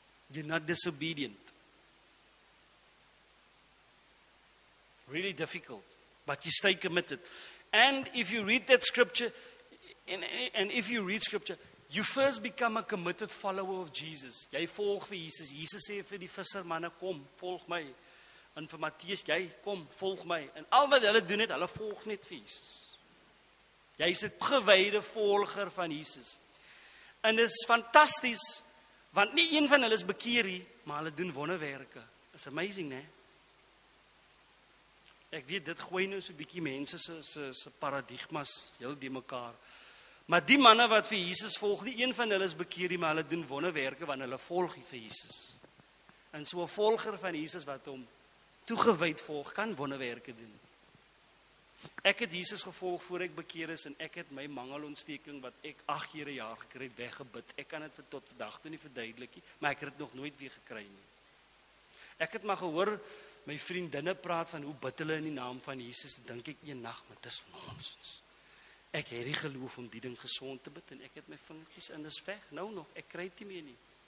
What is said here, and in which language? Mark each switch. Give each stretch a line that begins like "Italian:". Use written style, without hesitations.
English: You're not disobedient. Really difficult, but you stay committed. And if you read that scripture, and if you read scripture, you first become a committed follower of Jesus.
Afrikaans: Jy volg vir Jesus. Jesus sê vir die vissermanne, kom, volg my. En vir Matteus, jy, kom, volg my. En al wat hulle doen het, hulle volg net vir Jesus. Jy is 'n gewyde volger van Jesus. En dit is fantasties, want nie een van hulle is bekeer nie, maar hulle doen wonderwerke.
English: It's amazing, né?
Afrikaans: Ek weet, dit gooi nou so 'n bietjie mense se paradigmas heel die mekaar. Maar die manne wat vir Jesus volg, nie een van hulle is bekeer nie, maar hulle doen wonderwerke, want hulle volg hy vir Jesus. En so 'n volger van Jesus wat hom toegewyd volg, kan wonderwerke doen. Ek het Jesus gevolg voor ek bekeer is, en ek het my mangelontsteking, wat ek 8 jaar gekry het, weggebid. Ek kan dit vir tot vandag toe nie verduidelik nie, maar ek het dit nog nooit weer gekry nie. Ek het maar gehoor my vriendinne praat van hoe bid hulle in die naam van Jesus, dink ek eendag, maar dis nonsens. Ek het die geloof om die ding gesond te bid, en ek het my vingertjies in, dis weg, nou nog, ek kry dit nie meer nie.